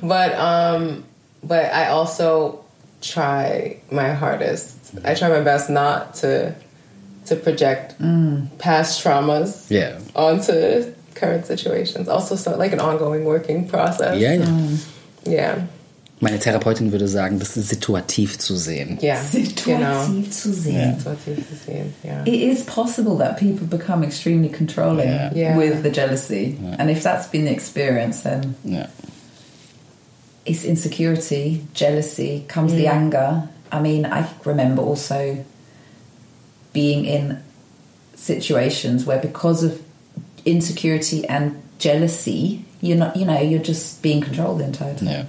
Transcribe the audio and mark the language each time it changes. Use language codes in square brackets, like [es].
[en] But I also try my hardest. I try my best not to project past traumas onto current situations. Also, so like an ongoing working process. Yeah. [de] Meine Therapeutin würde sagen, das ist situativ zu sehen. Situativ zu sehen. [en] It is possible that people become extremely controlling with the jealousy. Yeah. And if that's been the experience, then it's insecurity, jealousy, comes the anger. I mean, I remember also being in situations where because of insecurity and jealousy, you're not, you know, you're just being controlled the entire time.